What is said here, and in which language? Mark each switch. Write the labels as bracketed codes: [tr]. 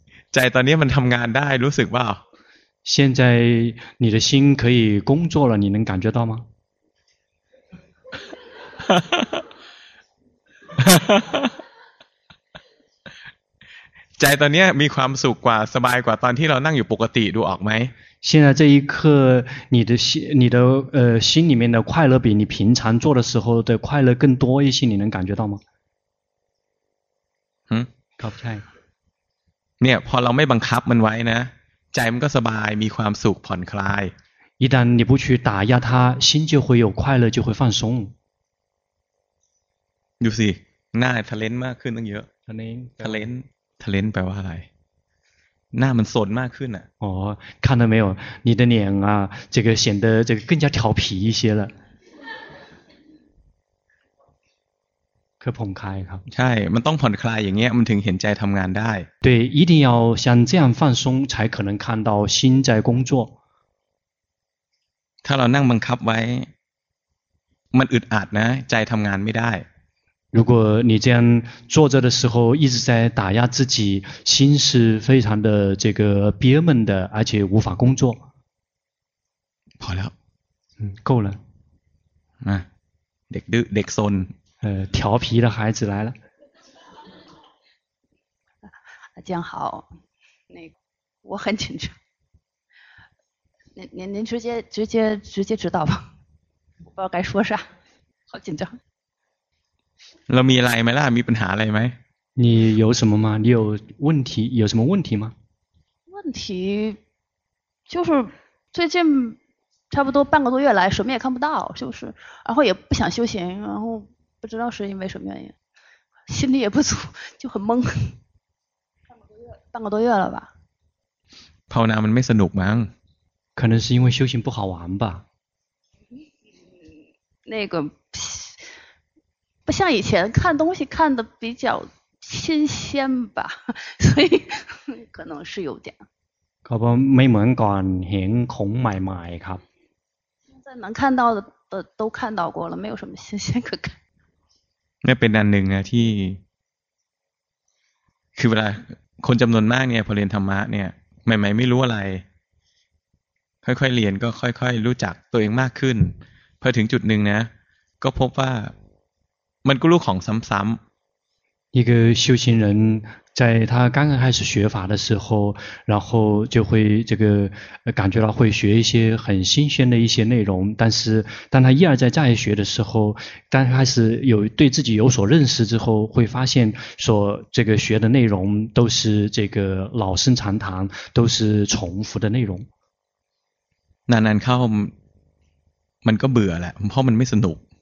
[th] 在ตอนนี้มันทำงานได้รู้สึกเปล่า [zh] 现在你的心可以工作了你能感觉到吗 [th] 在ตอนนี้มีความสุขกว่าสบายกว่าตอนที่เรานั่งอยู่ปกติดูออกไหม [zh] 现在这一刻你的心里面的快乐比你平常做的时候的快乐更多一些你能感觉到吗嗯 [th] ขอบใ จเนี่ยพอเราไม่บังคับมันไว้นะใจมันก็สบายมีความสุขผ่อนคลาย [zh] 一旦你不去打压它心就会有快乐就会放松 [th] ดูสิหน้าทะเลนมากขึ้นตั้งเยอะ ทะเลน ทะเลนแปลว่าอะไรหน้ามันสนมากขึ้นอ่ะ [zh] อ๋อ看到没有你的脸啊这个显得这个更加调皮一些了 [th] คือผ่อนคลายครับ ใช่มันต้องผ่อนคลายอย่างเงี้ยมันถึงเห็นใจทำงานได้ [zh] 对一定要像这样放松才可能看到心在工作 [th] ถ้าเรานั่งบังคับไว้มันอึดอัดนะใจทำงานไม่ได้ [zh] 如果你这样坐着的时候一直在打压自己心是非常的这个憋闷的而且无法工作好了够了 [th] เด็กดื้อเด็กซน [zh] 调皮的孩子来了江豪那我很紧张您直接指导吧我不知道该说啥好紧张 [th] เรามีอะไรไหมล่ะมีปัญหาอะไรไหม [zh] 你有什么吗？你有问题，有什么问题吗？问题就是最近差不多半个多月来什么也看不到，就是然后也不想修行，然后不知道是因为什么原因，心里也不足，就很懵。半个多月了吧。 [th] ภาวนามันไม่สนุกมั้ง [zh] 可能是因为修行不好玩吧。那个不像以前看东西看的比较新鲜吧，所以可能是有点。 [th] ครับ ไม่เหมือนก่อนเห็นของใหม่ๆครับ [zh] 现在能看到的都看到过了，没有什么新鲜可看。 [th] นี่เป็นอันหนึ่งนะที่คือเวลาคนจำนวนมากเนี่ยพอเรียนธรรมะเนี่ยใหม่ๆไม่รู้อะไรค่อยๆเรียนก็ค่อยๆรู้จักตัวเองมากขึ้นพอถึงจุดหนึ่งนะก็พบว่ามันก็รู้ของซ้ำ [zh] ๆ一个修行人在他刚刚开始学法的时候然后就会这个感觉到会学一些很新鲜的一些内容但是当他一而再再学的时候当他开始有对自己有所认识之后会发现说这个学的内容都是这个老生常谈都是重复的内容 [th] นานๆเข้ามันก็เบื่อแหละเพราะมันไม่สนุก